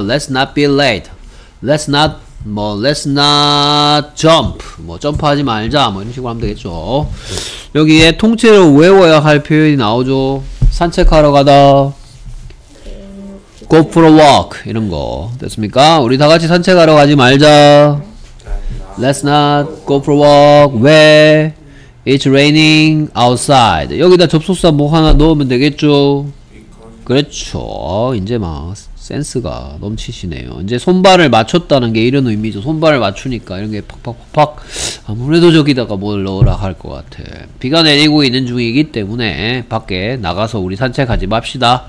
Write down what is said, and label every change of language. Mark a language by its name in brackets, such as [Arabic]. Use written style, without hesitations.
[English] Let's not be late. [Korean] Let's not 뭐 let's not jump 뭐 점프하지 말자 뭐 이런 식으로 하면 되겠죠. 여기에 통째로 외워야 할 표현이 나오죠. 산책하러 가다 [English] go for a walk [Korean] 이런 거 됐습니까? 우리 다 같이 산책하러 가지 말자. [English] Let's not go for a walk where it's raining outside. [Korean] 여기다 접속사 뭐 하나 넣으면 되겠죠. 그렇죠. 이제 막 센스가 넘치시네요. 이제 손발을 맞췄다는 게 이런 의미죠. 손발을 맞추니까 이런 게 팍팍팍팍 아무래도 저기다가 뭘 넣으라 할 것 같아. 비가 내리고 있는 중이기 때문에 밖에 나가서 우리 산책하지 맙시다.